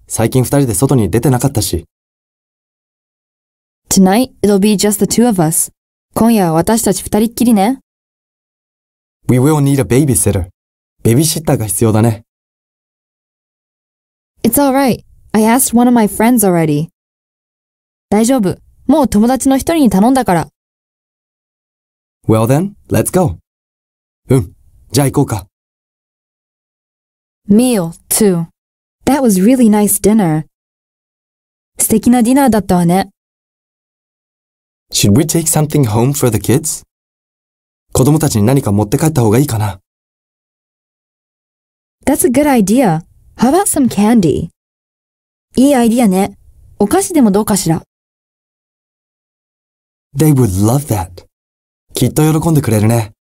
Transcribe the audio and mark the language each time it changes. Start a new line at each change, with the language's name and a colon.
Japanese: 最近二人で外に出てなかったし。
English: Tonight, it'll be just the two of us.
Japanese: 今夜は私たち二人っきりね。
English: We will need a babysitter.
Japanese: ベビーシッターが必要だね。
English: It's all right. I asked one of my friends already.
Japanese: 大丈夫。もう友達の一人に頼んだから。
English: Well then, let's go.
Japanese: うん、じゃあ行こうか。
English: Meal 2. That was really nice dinner.
Japanese: 素敵なディナーだったわね。
English: Should we take something home for the kids?
Japanese: 子供たちに何か持って帰った方がいいかな。
English: That's a good idea. How about some candy?
Japanese: いいアイディアね。お菓子でもどうかしら。
English: They would love that.
Japanese: きっと喜んでくれるね。